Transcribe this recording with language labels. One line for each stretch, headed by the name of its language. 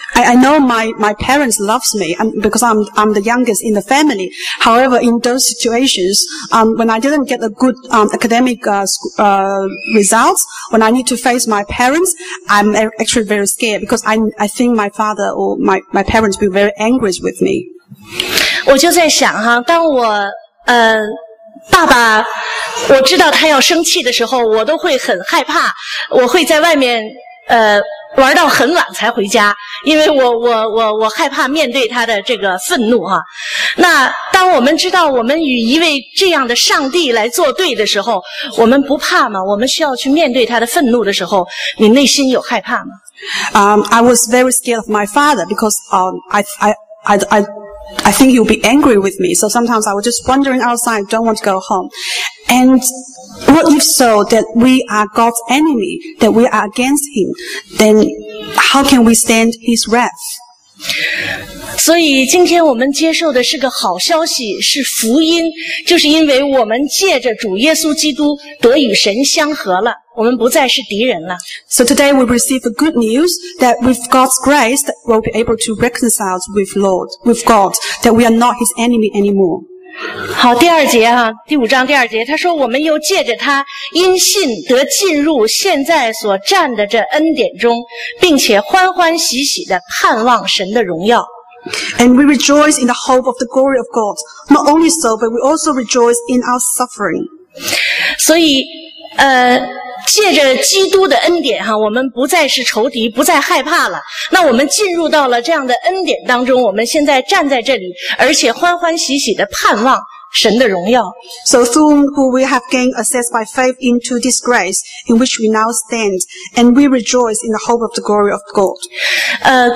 English: I know my parents loves me because I'm the youngest in the family. However, in those situations, when I didn't get a good academic results, when I need to face my parents, I'm actually very scared because I think my father or my parents will be very angry with me.
Chinese: 我就在想哈，当我爸爸，我知道他要生气的时候，我都会很害怕，我会在外面玩到很晚才回家，因为我害怕面对他的这个愤怒哈。那当我们知道我们与一位这样的上帝来作对的时候，我们不怕吗？我们需要去面对他的愤怒的时候，你内心有害怕吗？
English: I was very scared of my father because I think he'll be angry with me. So sometimes I was just wandering outside, don't want to go home. And what if so, that we are God's enemy, that we are against him, then how can we stand his wrath?
Chinese: 所以今天我们接受的是个好消息，是福音，就是因为我们借着主耶稣基督得与神相合了。我们不再是敌人了。
English: So today we receive the good news that with God's grace that we'll be able to reconcile with God, that we are not his enemy anymore.
Chinese: 好，第二节哈，第五章第二节，他说我们又借着他因信得进入现在所站的这恩典中，并且欢欢喜喜地盼望神的荣耀。
English: And we rejoice in the hope of the glory of God. Not only so, but we also rejoice in our suffering.
Chinese: 所以借着基督的恩典哈，我们不再是仇敌，不再害怕了。那我们进入到了这样的恩典当中，我们现在站在这里，而且欢欢喜喜的盼望神的荣耀。
English: So through whom we have gained access by faith into this grace in which we now stand, and we rejoice in the hope of the glory of God.